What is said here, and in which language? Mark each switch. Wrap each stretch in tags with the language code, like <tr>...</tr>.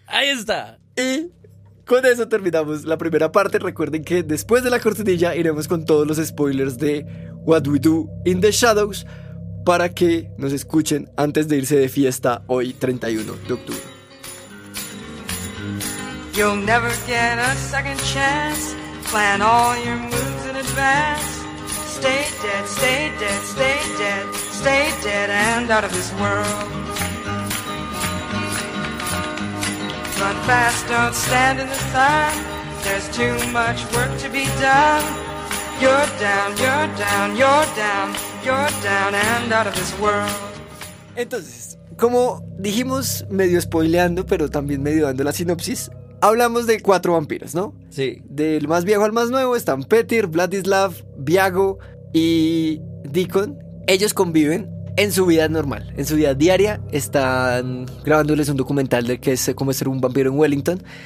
<es>Ahí está. Y con eso terminamos la primera parte. Recuerden que después de la cortinilla iremos con todos los spoilers de What We Do in the Shadows para que nos escuchen antes de irse de fiesta hoy 31 de octubre.</es> <en>You'll never get a second chance. Plan all your moves in advance. Stay dead, stay dead, stay dead. Stay dead and out of this world. Run fast, don't stand in the sun. There's too much work to be done. You're down, you're down, you're down. You're down and out of this world.</en> <es>Entonces, como dijimos, medio spoileando, pero también medio dando la sinopsis, hablamos de cuatro vampiros, ¿no? Sí. Del más viejo al más nuevo están Petyr, Vladislav, Viago y Deacon. Ellos conviven en su vida normal, en su vida diaria. Están grabándoles un documental de qué es cómo ser un vampiro en Wellington.</es>